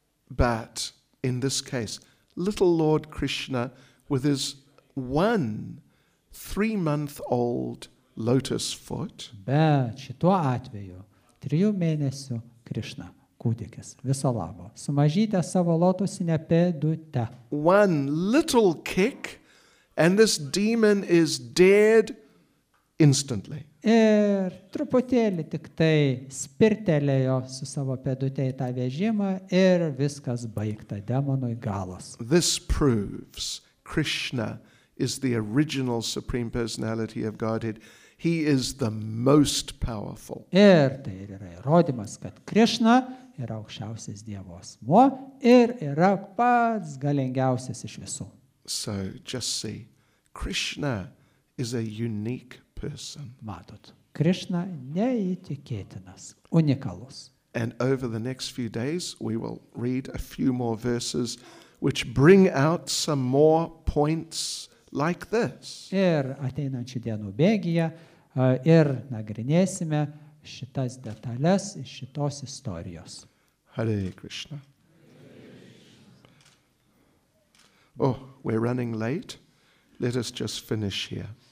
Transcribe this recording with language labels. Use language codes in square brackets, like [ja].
[en] But in this case, little Lord Krishna with his 1 3-month-old lotus foot. [lt] Bet šituo atveju 3 mėnesių Krishna kūdikis viso labo su mažyte savo lotusine pėdute. [en] One little kick and this demon is dead instantly. [lt] Ir truputėlį tik tai spirtelėjo su savo pėdute į tą vežimą ir viskas baigta, demonui galas. [en] This proves Krishna is the original Supreme Personality of Godhead. He is the most powerful. [lt] Ir tai yra įrodymas, kad Krishna yra aukščiausias Dievo asmuo ir yra pats galingiausias iš visų. [en] So, just see, Krishna is a unique person. [lt] Matot, Krishna neįtikėtinas, unikalus. [en] And over the next few days, we will read a few more verses which bring out some more points like this. [lt] Ir ateinančių dienų bėgyje ir nagrinėsime šitas detales iš šitos istorijos. [en] Hare Krishna. Oh, we're running late. Let us just finish here.